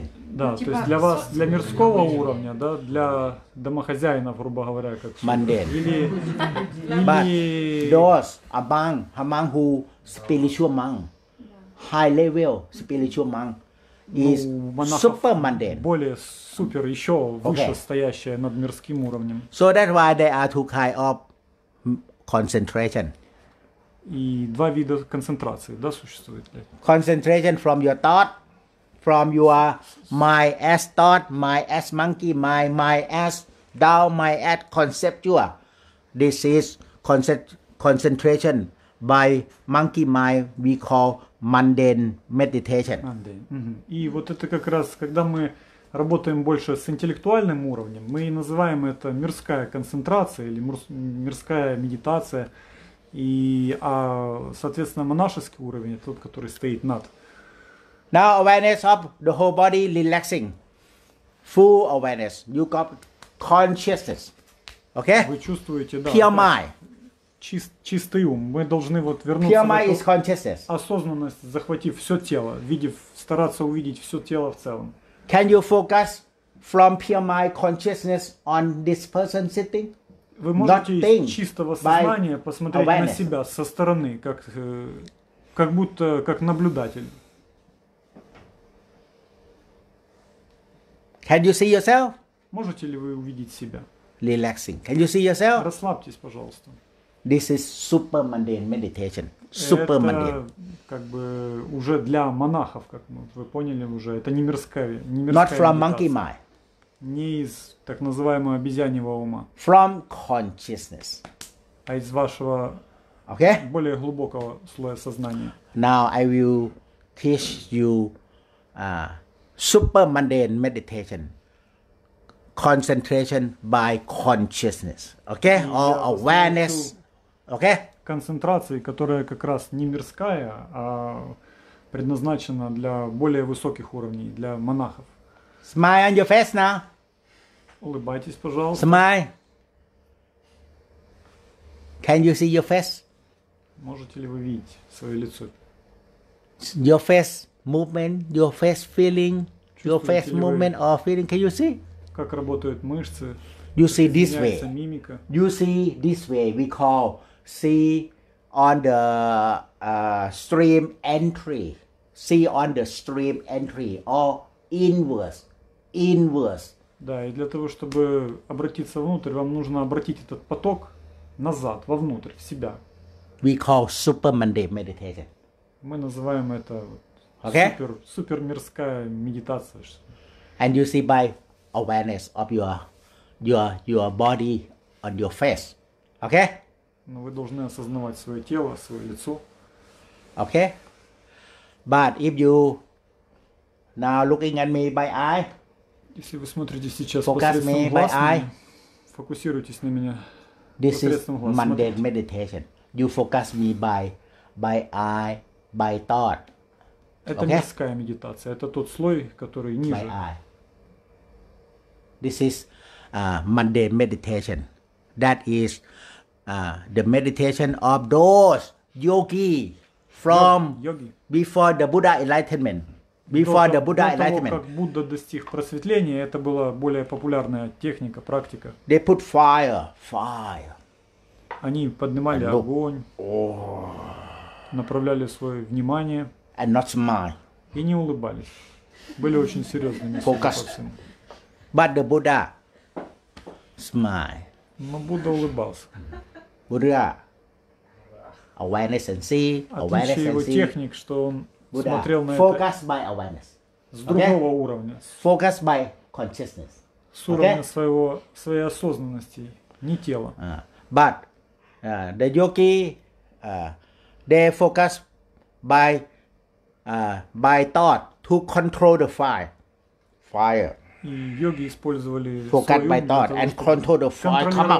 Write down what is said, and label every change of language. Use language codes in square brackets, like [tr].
[ru] Да, то есть для вас, для мирского уровня, да, для домохозяина, грубо говоря, как [en] манден. [ru] Или [en] those among who spiritual monk, high level spiritual monk, is super манден. [ru] Более супер, еще выше стоящая над мирским уровнем. [en] So that's why they are too high up. Concentration. [ru] И два вида концентрации, да, существует. [en] Concentration from your thought, from your mind as thought, mind as monkey, mind as down my at conceptual. This is concentration by monkey mind we call mundane meditation. [ru] И вот это как раз, когда мы работаем больше с интеллектуальным уровнем, мы называем это мирская концентрация или мирская медитация. И, а, соответственно, монашеский уровень, тот, который стоит над. [en] Now awareness of the whole body relaxing. Full awareness. You got consciousness. Okay? [ru] Вы чувствуете, да. [en] Pure mind. [ru] Чистый ум. Мы должны вот вернуться. [en] Pure mind is consciousness. [ru] Осознанность, захватив все тело, видев, стараться увидеть все тело в целом. [en] Can you focus from pure mind consciousness on this person sitting? [ru] Вы можете из чистого сознания посмотреть на себя со стороны, как будто как наблюдатель. [en] Can you see yourself? [ru] Можете ли вы увидеть себя? [en] Relaxing. Can you see yourself? [ru] Расслабьтесь, пожалуйста. [en] This is super mundane meditation. Super mundane. [ru] Это как бы уже для монахов, как вы поняли уже. Это не мирская медитация. [en] Not from monkey mind. [ru] Не из так называемого обезьяньего ума. [en] From consciousness. [ru] А из вашего более глубокого слоя сознания. [en] Now I will teach you super mundane meditation. Concentration by consciousness. Okay? Or awareness. Okay? [ru] Концентрации, которая как раз не мирская, а предназначена для более высоких уровней, для монахов. [en] Smile on your face now. [ru] Улыбайтесь, пожалуйста. [en] Smile. Can you see your face? [ru] Можете ли вы видеть свое лицо? [en] Your face movement, your face feeling, your face movement or feeling. Can you see? [ru] Как работают мышцы? [en] You see this way. [ru] Мимика. [en] You see this way. We call see on the stream entry. See on the stream entry or inwards. Inwards. [ru] Да, и для того, чтобы обратиться внутрь, вам нужно обратить этот поток назад, вовнутрь, в себя. [en] We call super mundane meditation. [ru] Мы называем это супер мирская медитация. [en] And you see by awareness of your body on your face. Okay? [ru] Но вы должны осознавать свое тело, свое лицо. [en] Okay? But if you now looking at me by eye, [ru] если вы смотрите сейчас посредством глаз, фокусируйтесь на меня. [en] This is mundane meditation. You focus me by eye, by thought. [ru] Это мирская медитация. Это тот слой, который ниже. [en] By eye. This is mundane meditation. That is the meditation of those yogi from before the Buddha enlightenment. Before the Buddha enlightenment. [ru] До того, как Будда достиг просветления, это была более популярная техника, практика. [en] They put fire. [ru] Они поднимали огонь, направляли свое внимание. [en] And not smile. [ru] И не улыбались. Были очень серьезными. [en] Focused. But the Buddha smile. [ru] Но Будда улыбался. [en] Buddha. Awareness and see. [ru] Отличие его техник, что он [en] Buddha, [ru] смотрел на [en] focus [ru] это [en] by awareness. [ru] С другого уровня. [en] Focus by consciousness. [ru] С уровня своей осознанности, не тела. [en] But the yogi, they focus by thought to control the fire. [ru] И йоги использовали [en] focus by thought and control the fire.